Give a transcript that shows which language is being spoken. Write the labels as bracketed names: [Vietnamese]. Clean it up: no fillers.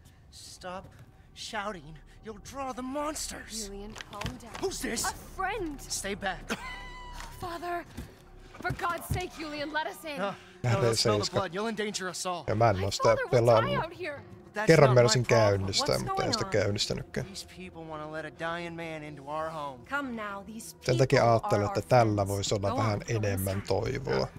[English] Stop shouting. You'll draw the monsters. Julian, calm down. Who's this? A friend. Stay back. Father, for God's sake, Julian, let us in. No, don't smell the blood. You'll endanger us all. [Finnish] Ja mä en ole sitä pelannut. Kerran mä olisin käynnistänyt, mutta en sitä käynnistänytkään. [English] These people want to let a dying man into our home. Come now, these people. [Finnish] Sen takia ajattelin, että tällä voisi olla vähän enemmän toivoa.